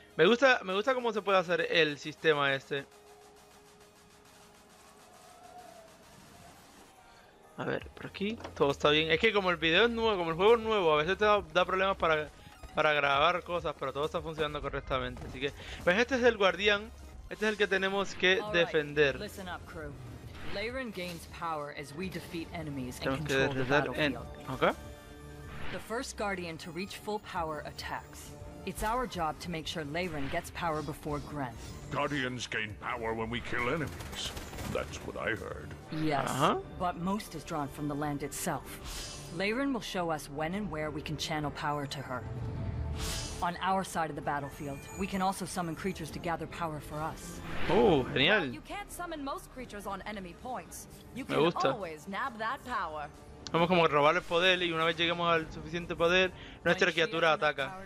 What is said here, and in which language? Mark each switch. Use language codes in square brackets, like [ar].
[es] Me gusta cómo se puede hacer el sistema este. A ver, por aquí, todo está bien. Es que como el video es nuevo, como el juego es nuevo, a veces te da problemas para grabar cosas, pero todo está funcionando correctamente. Así que, pues este es el guardián. Este es el que tenemos que defender. [en] Listen up, crew. Layren gains power as we defeat enemies and control the battlefield. Okay. The first guardian to reach full power attacks. It's our job to make sure Layren gets power before Gren. Guardians gain power when we kill enemies. That's what I heard. Yes, but most is drawn from the land itself. Layren will show us when and where we can channel power to her. On our side of the battlefield, we can also summon creatures to gather power for us. [es] Oh, genial. [en] You can't summon most creatures on enemy points. You can always nab that power. [es] Vamos como a robar el poder y una vez lleguemos al suficiente poder, nuestra criatura ataca.